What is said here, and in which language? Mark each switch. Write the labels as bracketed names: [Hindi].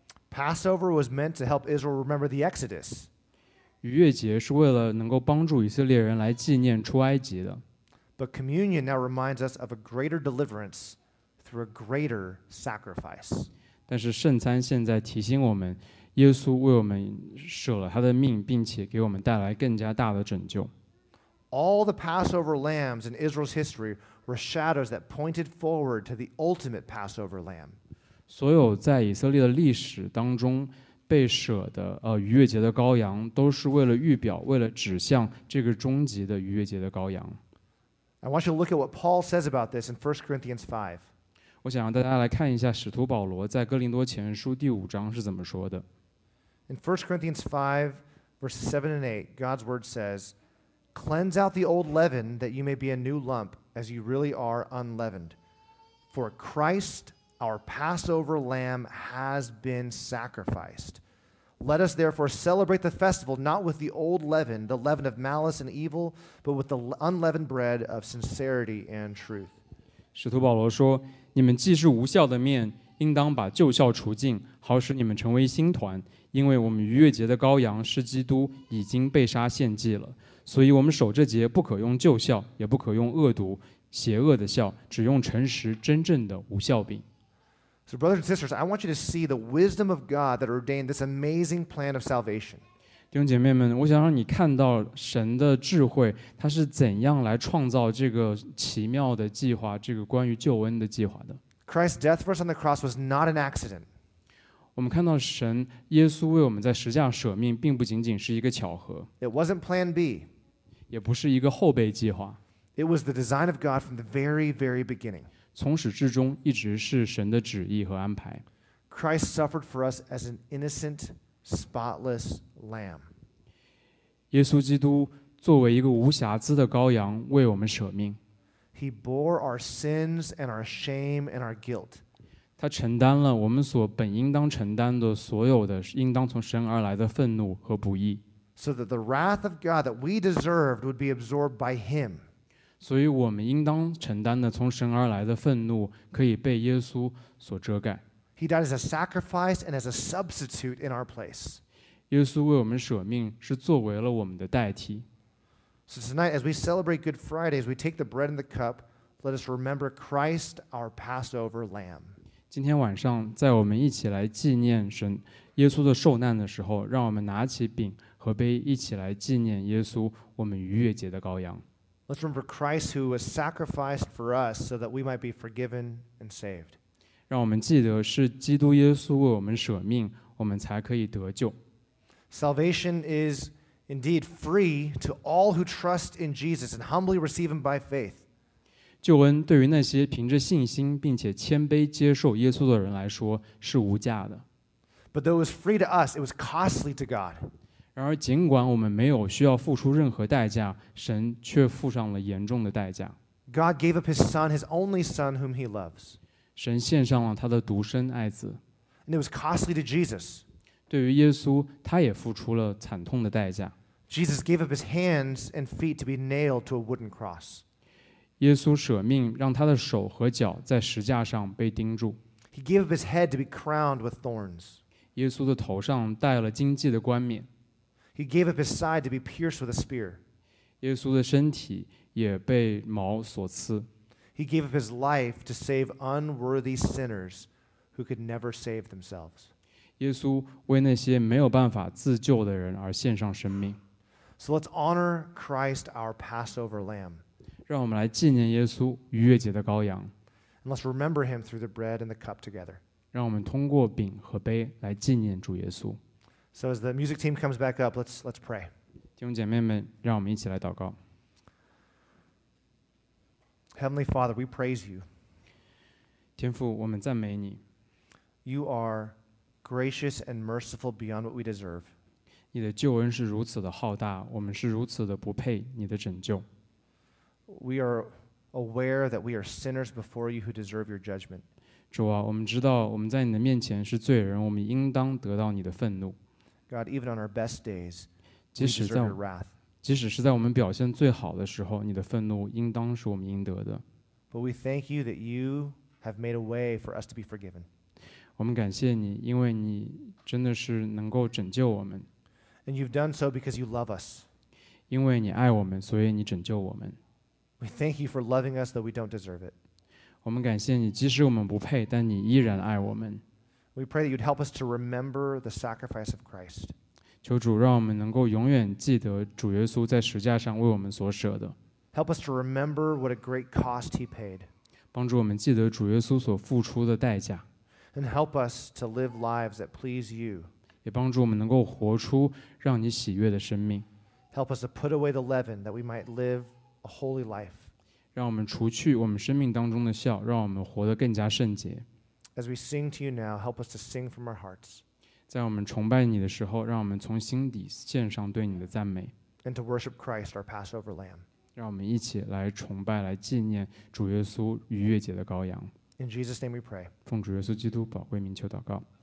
[English] Passover was meant to help Israel remember the Exodus. [Chinese] 逾越节是为了能够帮助以色列人来纪念出埃及的。 [English] But communion now reminds us of a greater deliverance through a greater sacrifice. [Chinese] 但是圣餐现在提醒我们，耶稣为我们舍了他的命，并且给我们带来更加大的拯救。 [English] All the Passover lambs in Israel's history were shadows that pointed forward to the ultimate Passover lamb. [Chinese] 所有在以色列的历史当中被舍的逾越节的羔羊，都是为了预表，为了指向这个终极的逾越节的羔羊。 [English] I want you to look at what Paul says about this in 1 Corinthians 5. [Chinese] 我想让大家来看一下使徒保罗在哥林多前书第五章是怎么说的。 [English] In 1 Corinthians 5, verses 7 and 8, God's word says, Cleanse out the old leaven that you may be a new lump, as you really are unleavened. For Christ, our Passover lamb, has been sacrificed. Let us therefore celebrate the festival not with the old leaven, the leaven of malice and evil, but with the unleavened bread of sincerity and truth. [Chinese] 使徒保罗说，你们既是无酵的面，应当把旧酵除尽，好使你们成为新团。因为我们逾越节的羔羊是基督，已经被杀献祭了。所以我们守这节不可用旧酵，也不可用恶毒、邪恶的酵，只用诚实真正的无酵饼。 [English] So brothers and sisters, I want you to see the wisdom of God that ordained this amazing plan of salvation. [Chinese] 弟兄姐妹们，我想让你看到神的智慧，他是怎样来创造这个奇妙的计划，这个关于救恩的计划的。 [English] Christ's death for us on the cross was not an accident. [Chinese] 我们看到神耶稣为我们在十字架舍命，并不仅仅是一个巧合。 [English] It wasn't plan B. [Chinese] 也不是一个后备计划。 [English] It was the design of God from the very, very beginning. [Chinese] 从始至终一直是神的旨意和安排。 [English] Christ suffered for us as an innocent, spotless lamb. [Chinese] 耶稣基督作为一个无瑕疵的羔羊为我们舍命。 [English] He bore our sins and our shame and our guilt. [Chinese] 他承担了我们所本应当承担的所有的应当从神而来的愤怒和不义。 [English] So that the wrath of God that we deserved would be absorbed by him. [Chinese] 所以我们应当承担的从神而来的愤怒可以被耶稣所遮盖。 [English] He died as a sacrifice and as a substitute in our place. [Chinese] 耶稣为我们舍命是作为了我们的代替。 [English] So tonight, as we celebrate Good Friday, as we take the bread and the cup, let us remember Christ, our Passover lamb. [Chinese] 今天晚上在我们一起来纪念神耶稣的受难的时候，让我们拿起饼和杯一起来纪念耶稣，我们逾越节的羔羊。 [English] Let's remember Christ who was sacrificed for us so that we might be forgiven and saved. [Chinese] 让我们记得是基督耶稣为我们舍命，我们才可以得救。 [English] Salvation is indeed free to all who trust in Jesus and humbly receive him by faith. [Chinese] 救恩对于那些凭着信心并且谦卑接受耶稣的人来说是无价的。 [English] But though it was free to us, it was costly to God. [Chinese] 然而尽管我们没有需要付出任何代价，神却付上了严重的代价。 [English] God gave up his son, his only son whom he loves. [Chinese] 神献上了他的独生爱子。 [English] And it was costly to Jesus. [Chinese] 对于耶稣，他也付出了惨痛的代价。 [English] Jesus gave up his hands and feet to be nailed to a wooden cross. [Chinese] 耶稣舍命让他的手和脚在十字架上被钉住。 [English] He gave up his head to be crowned with thorns. [Chinese] 耶稣的头上戴了荆棘的冠冕。 [English] He gave up his side to be pierced with a spear. [Chinese] 耶稣的身体也被矛所刺。 [English] He gave up his life to save unworthy sinners who could never save themselves. [Chinese] 耶稣为那些没有办法自救的人而献上生命。 [English] So let's honor Christ, our Passover lamb. [Chinese] 让我们来纪念耶稣逾越节的羔羊。 [English] And let's remember him through the bread and the cup together. [Chinese] 让我们通过饼和杯来纪念主耶稣。 [English] So as the music team comes back up, let's pray. [Chinese] 弟兄姐妹们，让我们一起来祷告。 [English] Heavenly Father, we praise you. [Chinese] 天父，我们赞美你。 [English] You are gracious and merciful beyond what we deserve. [Chinese] 你的救恩是如此的浩大，我们是如此的不配你的拯救。 [English] We are aware that we are sinners before you who deserve your judgment. [Chinese] 主啊，我们知道我们在你的面前是罪人，我们应当得到你的愤怒。 [English] God, even on our best days, we deserve your wrath. [Chinese] 即使是在我们表现最好的时候，你的愤怒应当是我们应得的。 [English] But we thank you that you have made a way for us to be forgiven. [Chinese] 我们感谢你，因为你真的是能够拯救我们。 [English] And you've done so because you love us. [Chinese] 因为你爱我们，所以你拯救我们。 [English] We thank you for loving us though we don't deserve it. [Chinese] 我们感谢你，即使我们不配，但你依然爱我们。 [English] We pray that you'd help us to remember the sacrifice of Christ. [Chinese] 求主让我们能够永远记得主耶稣在十字架上为我们所舍的。 [English] Help us to remember what a great cost he paid. [Chinese] 帮助我们记得主耶稣所付出的代价。 [English] And help us to live lives that please you. [Chinese] 也帮助我们能够活出让你喜悦的生命。 [English] Help us to put away the leaven that we might live a holy life. [Chinese] 让我们除去我们生命当中的笑，让我们活得更加圣洁。 [English] As we sing to you now, help us to sing from our hearts. [Chinese] 在我们崇拜你的时候，让我们从心底献上对你的赞美。 [English] And to worship Christ, our Passover Lamb. [Chinese] 让我们一起来崇拜，来纪念主耶稣逾越节的羔羊。 [English] In Jesus' name we pray. [Chinese] 奉主耶稣基督宝贵名求祷告。